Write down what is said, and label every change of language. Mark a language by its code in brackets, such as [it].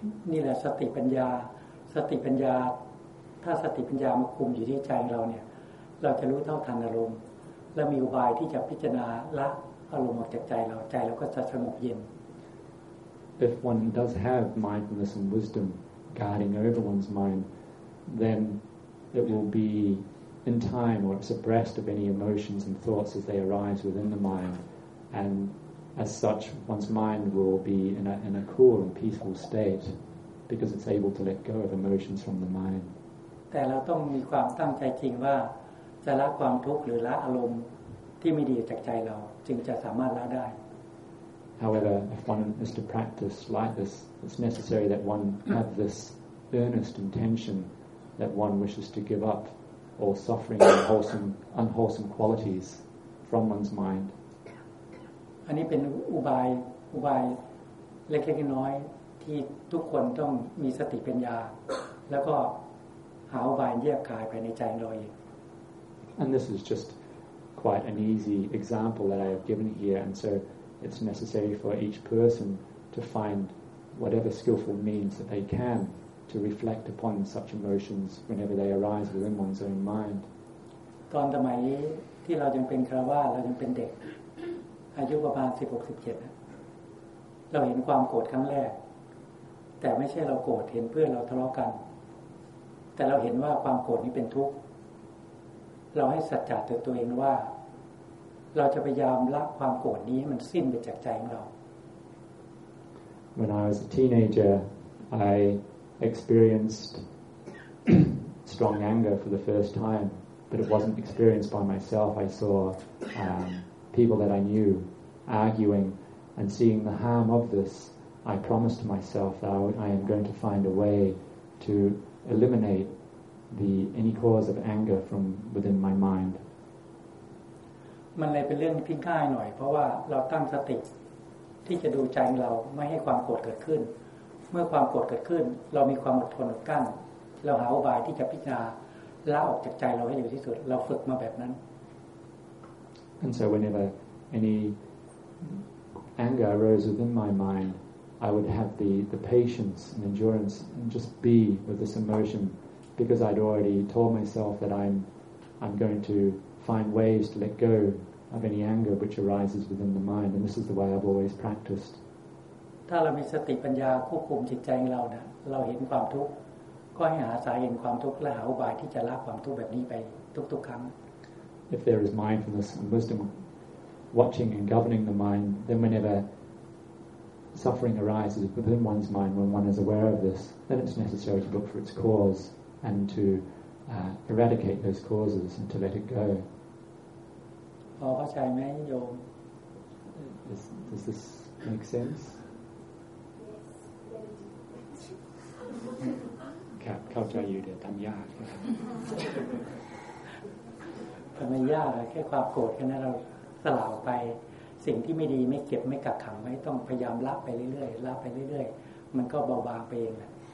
[th] นี่แหละสติปัญญาสติปัญญาถ้าสติปัญญามาคุมอยู่ที่ใจเราเนี่ยเราจะรู้เท่าทันอารมณ์และมีอุบายที่จะพิจารณาละอารมณ์ออกจากใจเราใจเราก็จะสงบเย็น [en] If one does have mindfulness and wisdom guarding over one's mind then it will be in time or it's abreast of any emotions and thoughts as they arise within the mind and as such one's mind will be in a cool and peaceful state because it's able to let go of emotions from the mind [th] แต่เราต้องมีความตั้งใจจริงว่าจะละความทุกข์หรือละอารมณ์ที่ไม่ดีจากใจเราจึงจะสามารถละได้ [en] However if one is to practice like this it's necessary that one have this earnest intention that one wishes to give up all suffering and unwholesome qualities from one's mind [th] อันนี้เป็นอุบายเล็กๆน้อยๆที่ทุกคนต้องมีสติปัญญาแล้วก็หาอุบายแยกกายภายในใจของเราเอง [en] And this is just quite an easy example that I have given here and so it's necessary for each person to find whatever skillful means that they can to reflect upon such emotions whenever they arise within one's own mind [th] ตอนสมัยที่เรายังเป็นคฤหัสถ์เรายังเป็นเด็กอายุประมาณ 16-17 นะเราเห็นความโกรธครั้งแรกแต่ไม่ใช่เราโกรธเห็นเพื่อนเราทะเลาะกันแต่เราเห็นว่าความโกรธนี้เป็นทุกข์เราให้สัจจะตัวเองว่าเราจะพยายามละความโกรธนี้ให้มันสิ้นไปจากใจของเรา [en] When I was a teenager I experienced strong anger for the first time but it wasn't experienced by myself I saw people that I knew arguingAnd seeing the harm of this, I promised myself that I am going to find a way to eliminate any cause of anger from within my mind. [th] มันเลยเป็นเรื่องที่ง่ายหน่อยเพราะว่าเราตั้งสติที่จะดูใจเราไม่ให้ความโกรธเกิดขึ้นเมื่อความโกรธเกิดขึ้นเรามีความอดทนกั้นเราหาอุบายที่จะพิจารณาละออกจากใจเราให้เร็วที่สุดเราฝึกมาแบบนั้น [en] And so whenever anyanger arose within my mind I would have the patience and endurance and just be with this emotion because I'd already told myself that I'm going to find ways to let go of any anger which arises within the mind and this is the way I've always practiced [th] ถ้าเรามีสติปัญญาควบคุมจิตใจของเราเนี่ยเราเห็นความทุกข์ก็ให้หาสาเหตุความทุกข์และหาอุบายที่จะละความทุกข์แบบนี้ไปทุกๆครั้ง [en] if there is mindfulness and wisdomwatching and governing the mind then whenever suffering arises within one's mind when one is aware of this then it's necessary to look for its cause and to eradicate those causes and to let it go [th] พอเข้าใจมั้ยโยม [en] does this make sense [th] ครับเข้าใจอยู่เดี๋ยวทำยาก ทำไมยากแค่ความโกรธแค่นั้นเราสลายไปสิ่งที่ไม่ดีไม่เก็บไม่กักขังไม่ต้องพยายามละไปเรื่อยๆละไปเรื่อยๆมันก็เบาบางไปเองแหละ